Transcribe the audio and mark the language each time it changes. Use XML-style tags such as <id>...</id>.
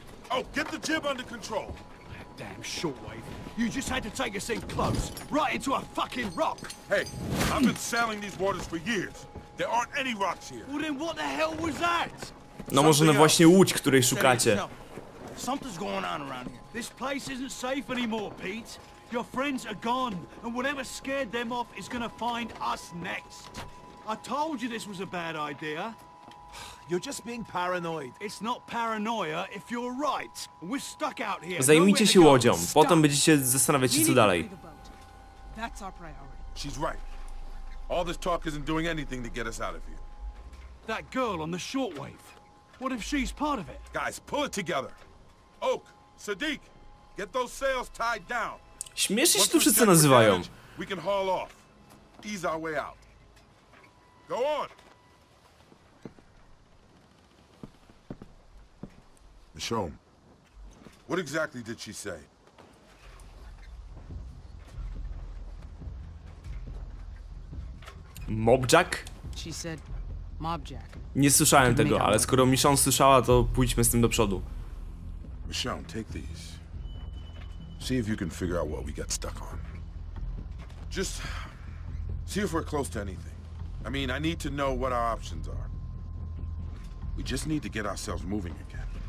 <en>Oh, get the jib under control. goddamn shortwave. You just had to take us in close, right into a fucking rock. Hey, I've been sailing these waters for years. There aren't any rocks here. Well then what the hell was that?</en> <pl>No może na właśnie łódź, której szukacie.</pl> <en>Something's going on around here. This place isn't safe anymore, Pete. Your friends are gone, and whatever scared them off is gonna find us next. I told you this was a bad idea. You're just being paranoid. It's not paranoia if you're right. We're stuck out here.</en> <pl>Zajmijcie się łodzią. Potem będziecie zastanawiać się co dalej.</pl> <en>That's our priority. She's right. All this talk isn't doing anything to get us out of here. That girl on the shortwave. What if she's part of it? Guys, pull it together. Oak, Sadiq, get those sails tied down.</en> <pl>Śmieszy się tu wszyscy nazywają.</pl> <en>We can haul off. Ease our way out. Go on. Michonne, what exactly did she say? Mobjack? She said Mobjack.</en> <pl>Nie słyszałem tego, ale skoro Michonne słyszała, to pójdźmy z tym do przodu.</pl> <en>Michonne, take these. See if you can figure out what we got stuck on. Just see if we're close to anything. I mean, I need to know what our options are. We just need to get ourselves moving again.</en>